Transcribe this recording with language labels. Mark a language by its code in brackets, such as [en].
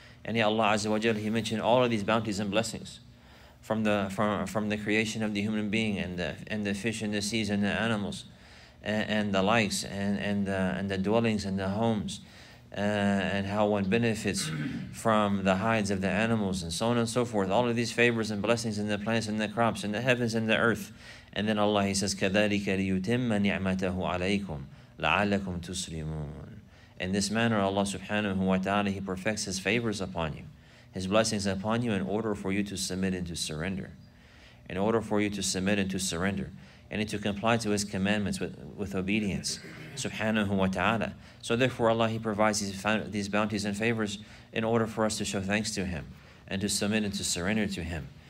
[en] And yeah, Allah Azza wa Jalla, he mentioned all of these bounties and blessings from the creation of the human being and the fish and the seas and the animals and the likes and the dwellings and the homes and how one benefits from the hides of the animals and so on and so forth. All of these favors and blessings in the plants and the crops and the heavens and the earth. And then Allah, he says, [ar] كَذَلِكَ لِيُتِمَّ نِعْمَتَهُ عَلَيْكُمْ لَعَلَّكُمْ تُسْلِمُونَ. [en] In this manner, Allah subhanahu wa ta'ala, he perfects his favors upon you, his blessings upon you, in order for you to submit and to surrender. In order for you to submit and to surrender, and to comply to his commandments with obedience, subhanahu wa ta'ala. So therefore, Allah, he provides these bounties and favors in order for us to show thanks to him and to submit and to surrender to him.